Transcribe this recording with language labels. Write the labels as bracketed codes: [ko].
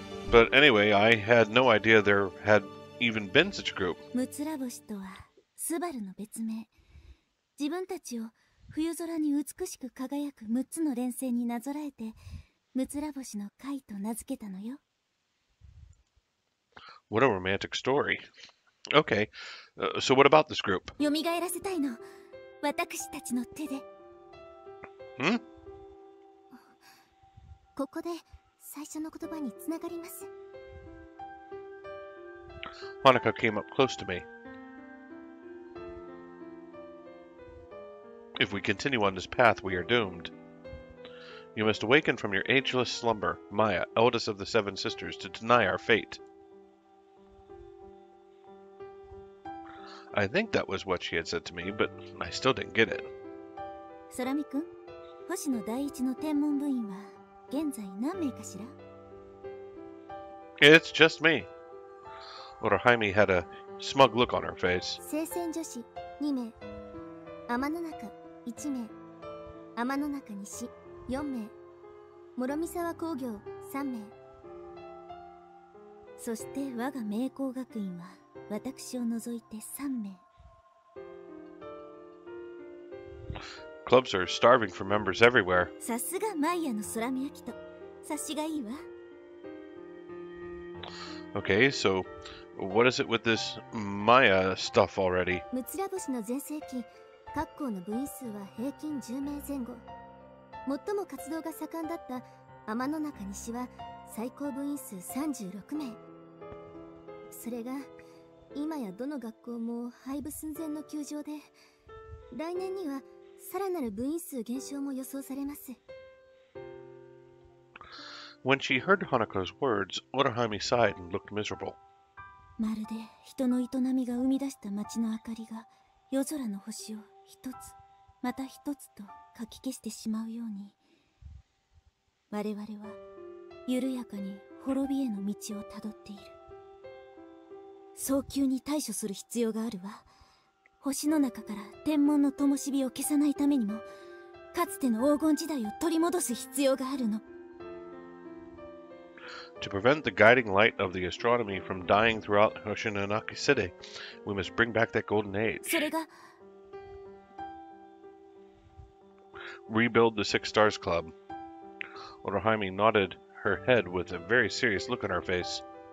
[en] But anyway, I had no idea there had even been such a group. [ja] ムツラボシとはスバルの別名。自分たちを冬空に美しく輝く6つの連星になぞらえて、ムツラボシの会と名付けたのよ。 [en] What a romantic story. Okay, so what about this group? [ja] よみがえらせたいの。私たちの手で。ん？ここで最初の言葉につながります。 [en] Honoka came up close to me. If we continue on this path, we are doomed. You must awaken from your ageless slumber, Maya, eldest of the seven sisters, to deny our fate. I think that was what she had said to me, but I still didn't get it. Sorami-kun? [ja] 星の第一の天文部員は現在何名かしら [en] It's just me. Orohime had a smug look on her face. [ja] 聖戦女子2名、天の中1名、天の中西4名、諸見沢工業3名、そして我が名工学院は私を除いて3名。 [en] Clubs are starving for members everywhere. [ja] さすがマイヤの空見焼きと察しがいいわ。 [en] Okay, so what is it with this Maya stuff already? [ja] ムツラ星の全盛期、各校の部員数は平均10名前後。最も活動が盛んだった天の中西は最高部員数36名。それが今やどの学校も廃部寸前の窮状で、来年にはさらなる部員数減少も予想されます。 [en] When she heard Hanako's words, Orihime sighed and looked miserable. [ja] まるで人の営みが生み出した町の明かりが夜空の星を一つまた一つとかき消してしまうように、我々は緩やかに滅びへの道をたどっている。早急に対処する必要があるわ。星の中から天文の灯火を消さないためにも、かつての黄金時代を取り戻す必要があるの。 [en] To prevent the guiding light of the astronomy from dying throughout Hoshinonaki City, we must bring back that golden age. [ja] それが、 [en] Rebuild the Six Stars Club. Orihime nodded her head with a very serious look on her face.